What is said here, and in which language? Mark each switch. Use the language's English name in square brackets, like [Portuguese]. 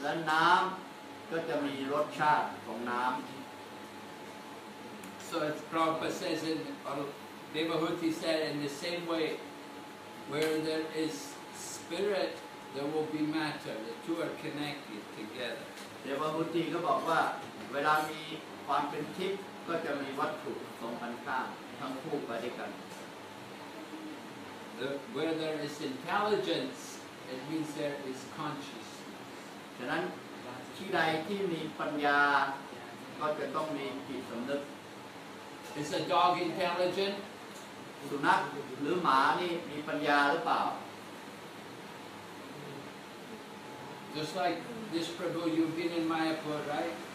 [Thai] และน้ำก็จะมีรสชาติของน้ำ [English] So as Prabhupada says in Devahuti said in the same way, where there is spirit. There will be matter. The two are connected together. [Thai] เดวะบุตรีก็บอกว่าเวลามีความเป็นทิพย์ก็จะมีวัตถุสองพันข้างทั้งคู่ไปด้วยกัน [English] Where there is intelligence, it means there is consciousness. [Thai] ฉะนั้นที่ใดที่มีปัญญาก็จะต้องมีจิตสำนึก [English] Is a dog intelligent? [Thai] สุนัขหรือหมานี่มีปัญญาหรือเปล่า [English] Just like this Prabhu, you've been in Mayapur, right?